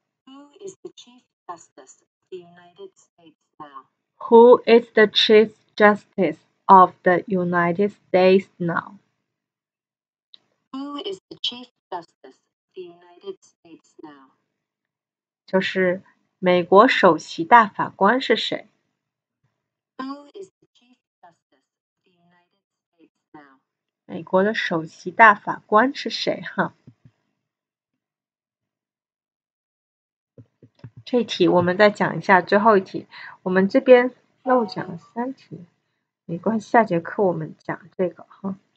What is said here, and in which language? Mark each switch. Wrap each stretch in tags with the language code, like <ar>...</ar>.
<en>Who is the Chief Justice of the United States now? Who is the Chief Justice of the United States now? Who is the Chief Justice of the United States now?</en> <zh>就是美国首席大法官是谁？</zh> <en>Who is the Chief Justice of the United States now?</en> <zh>美国的首席大法官是谁？哈，这题我们再讲一下最后一题。我们这边漏讲了三题，没关系，下节课我们讲这个哈。</zh>